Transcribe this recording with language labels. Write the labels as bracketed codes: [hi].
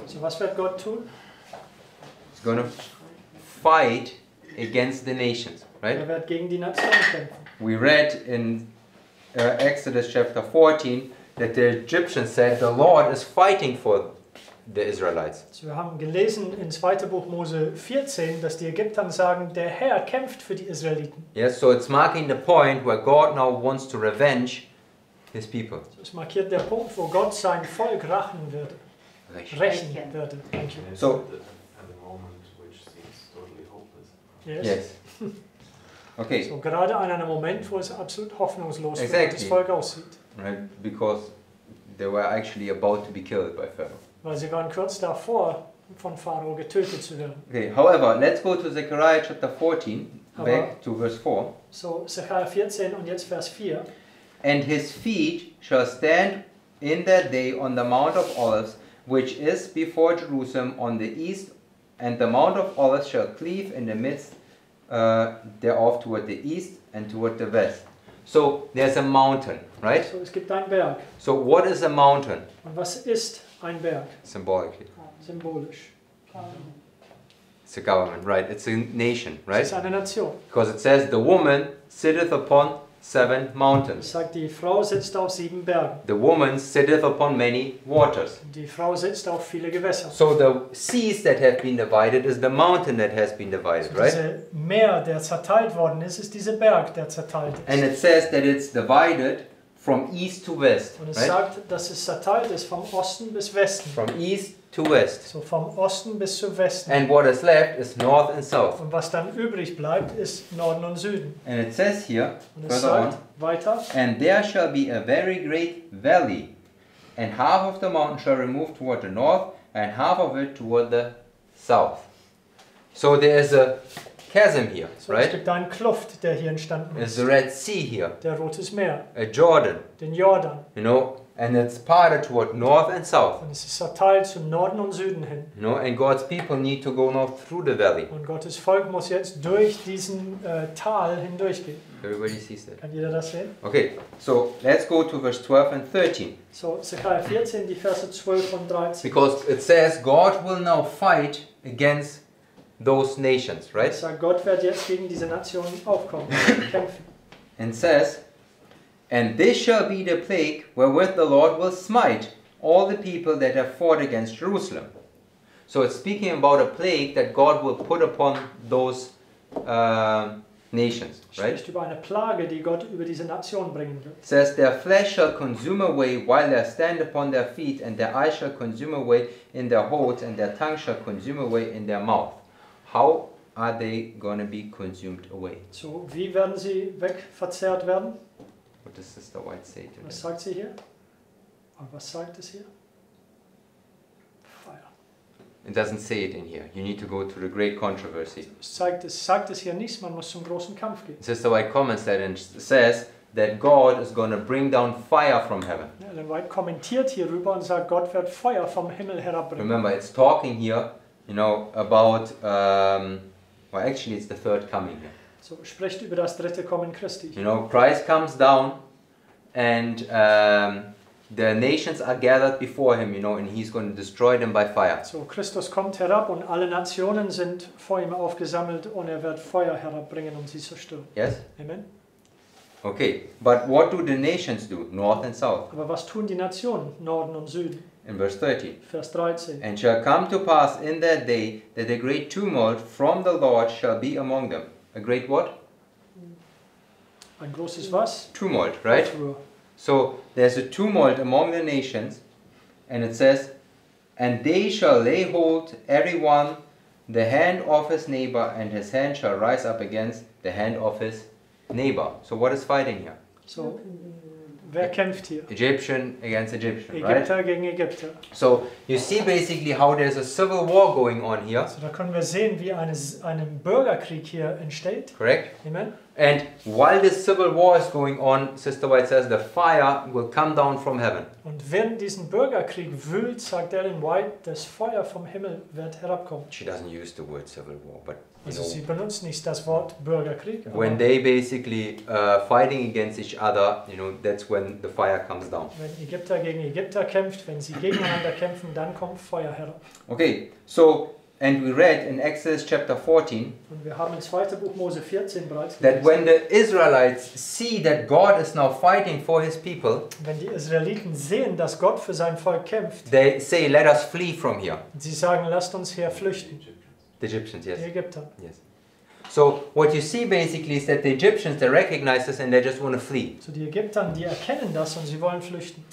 [de] So was wird Gott tun? [en] He's going to fight against the nations, right? [de] Er wird gegen die Nationen kämpfen. [en] We read in Exodus chapter 14 that the Egyptians said the Lord is fighting for the Israelites. [de] So wir haben gelesen in 2. Buch Mose 14, dass die Ägypter sagen, der Herr kämpft für die Israeliten. [en] Yes, so it's marking the point where God now wants to revenge his people. [de] So es markiert der Punkt, wo Gott sein Volk rächen wird. Rächen wird. [en] So at the moment which seems totally hopeless. Yes. Okay. [de] So gerade an einem Moment, wo es absolut hoffnungslos für [en] exactly [de] das Volk aussieht. [en] Right, because they were actually about to be killed by Pharaoh. [de] Weil sie waren kurz davor, von Pharao getötet zu werden. [en] Okay, however, let's go to Zechariah chapter 14, back to verse 4. [de] So, Zechariah 14 und jetzt Vers 4. [en] And his feet shall stand in that day on the Mount of Olives, which is before Jerusalem on the east, and the Mount of Olives shall cleave in the midst thereof toward the east and toward the west. So, there's a mountain, right? [de] So, es gibt einen Berg. [en] So, what is a mountain? [de] Und was ist ein Berg? [en] Symbolically. [de] Symbolisch. [en] It's a government, right? It's a nation, right? [de] Es ist eine Nation. [en] Because it says, the woman sitteth upon seven mountains. [de] Es sagt, die Frau sitzt auf sieben Bergen. [en] The woman sitteth upon many waters. [de] Die Frau sitzt auf viele Gewässer. [en] So the seas that have been divided is the mountain that has been divided, so right? [de] Das Meer, der zerteilt worden ist, ist dieser Berg, der zerteilt ist. [en] And it says that it's divided from east to west. [de] Und es [en] right? [de] sagt, dass es zerteilt ist vom Osten bis Westen. [en] From east to west. [de] So vom Osten bis zum Westen. [en] And what is left is north and south. [de] Und was dann übrig bleibt, ist Norden und Süden. [en] And it says here, [de] und es sagt, weiter. [en] And there shall be a very great valley, and half of the mountain shall remove toward the north, and half of it toward the south. So there is a chasm here, so right? [de] Es gibt einen Kluft, der hier entstanden ist. [en] The Red Sea here. [de] Der Rotes Meer. [en] A Jordan. [de] Den Jordan. [en] You know, and it's parted toward north and south. [de] Und es ist zerteilt zum Norden und Süden hin. [en] You know, and God's people need to go north through the valley. [de] Und Gottes Volk muss jetzt durch diesen Tal hindurchgehen. [en] Everybody sees that. [de] Kann jeder das sehen? [en] Okay, so let's go to verse 12 and 13. [de] So, Zechariah 14, die Verse 12 und 13. [en] Because it says God will now fight against those nations, right? [de] Sagt, Gott wird jetzt gegen diese Nationen aufkommen und kämpfen. [en] And says, and this shall be the plague wherewith the Lord will smite all the people that have fought against Jerusalem. So it's speaking about a plague that God will put upon those nations, right? [de] Spricht über eine Plage, die Gott über diese Nationen bringen wird. [en] It says, their flesh shall consume away while they stand upon their feet, and their eyes shall consume away in their holds, and their tongue shall consume away in their mouth. How are they going to be consumed away? [de] So, wie werden sie wegverzehrt werden? [en] What does Sister White say to [de] Was sagt sie hier? Und was sagt es hier? Feuer. [en] It doesn't say it in here. You need to go to the great controversy. [de] Sagt es hier nichts, man muss zum großen Kampf gehen. [en] Sister White comments that and says that God is going to bring down fire from heaven. [de] Ellen White kommentiert hierüber und sagt, Gott wird Feuer vom Himmel herabbringen. [en] Remember, it's talking here, you know, about, well, actually it's the third coming here. [de] So spricht über das dritte Kommen Christi. [en] You know, Christ comes down and the nations are gathered before him, you know, and he's going to destroy them by fire. [de] So Christus kommt herab und alle Nationen sind vor ihm aufgesammelt und er wird Feuer herabbringen, um sie zu zerstören. [en] Yes? Amen. Okay, but what do the nations do, north and south? [de] Aber was tun die Nationen, Norden und Süden? [en] In verse 13. [de] Vers 13. [en] And shall come to pass in that day that a great tumult from the Lord shall be among them. A great what? [de] Ein großes was? [en] Tumult, right? So there's a tumult among the nations, and it says, and they shall lay hold everyone the hand of his neighbor, and his hand shall rise up against the hand of his neighbor. So what is fighting here? [de] So wer kämpft hier? [en] Egyptian against Egyptian, [de] Ägypter, [en] right? [de] Ägypter gegen Ägypter. [en] So you see basically how there's a civil war going on here. [de] So da können wir sehen, wie einen Bürgerkrieg hier entsteht. [en] Correct. Amen. And while this civil war is going on, Sister White says, the fire will come down from heaven. [de] Und während diesen Bürgerkrieg wühlt, sagt Ellen White, das Feuer vom Himmel wird herabkommen. [en] She doesn't use the word civil war, but [de] also [en] know, [de] sie benutzt nicht das Wort Bürgerkrieg. [en] When they basically fighting against each other, you know, that's when the fire comes down. [de] Wenn Ägypter gegen Ägypter kämpft, wenn sie gegeneinander kämpfen, dann kommt Feuer herab. [en] Okay, so. And we read in Exodus chapter 14, [de] und wir haben im zweiten Buch Mose 14 bereits gelesen, [en] that when the Israelites see that God is now fighting for his people, [de] wenn die Israeliten sehen, dass Gott für sein Volk kämpft, [en] they say, let us flee from here. [de] Sie sagen, lasst uns hier flüchten. [en] The Egyptians, yes. [de] Die Ägypter. [en] Yes. So what you see basically is that the Egyptians, they recognize this and they just want to flee. [de] So die Ägypter, die erkennen das und sie wollen flüchten.